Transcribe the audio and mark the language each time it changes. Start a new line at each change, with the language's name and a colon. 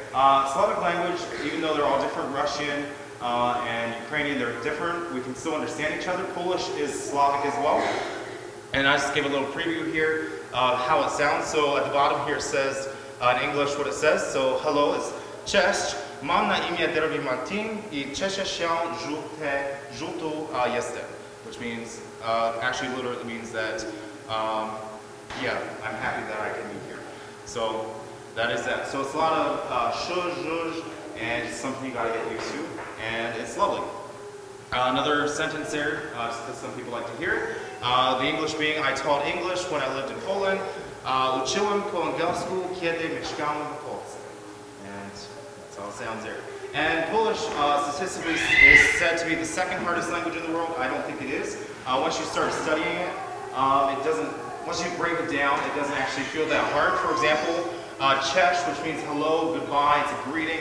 English: Slavic language, even though they're all different, Russian and Ukrainian, they're different. We can still understand each other. Polish is Slavic as well. And I just gave a little preview here of how it sounds. So at the bottom here says in English what it says. So hello is Cześć.
Polish: Mam na imię Derby Martin i cieszę się, że tu jestem.
English: Which means, actually literally means that, I'm happy that I can be here. So that is that. So it's a lot of zhuzh, and it's something you gotta get used to, and it's lovely. Another sentence there, because some people like to hear it. The English being, I taught English when I lived in Poland.
Polish: Uczyłem po angielsku, kiedy mieszkałem w Polsce.
English: And that's all it sounds there. And Polish, statistically, is said to be the second hardest language in the world. I don't think it is. Once you start studying it, once you break it down, it doesn't actually feel that hard. For example, Cześć, which means hello, goodbye, it's a greeting.